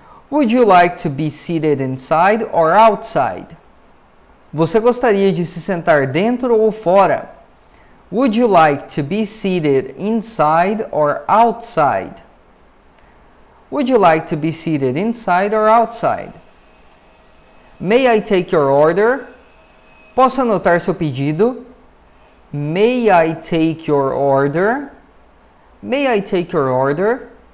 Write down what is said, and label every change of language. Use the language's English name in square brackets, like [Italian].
[English] Would you like to be seated inside or outside? [Portuguese] Você gostaria de se sentar dentro ou fora? [English] Would you like to be seated inside or outside? Would you like to be seated inside or outside? May I take your order? [Portuguese] Posso anotar seu pedido? [English] May I take your order? May I take your order?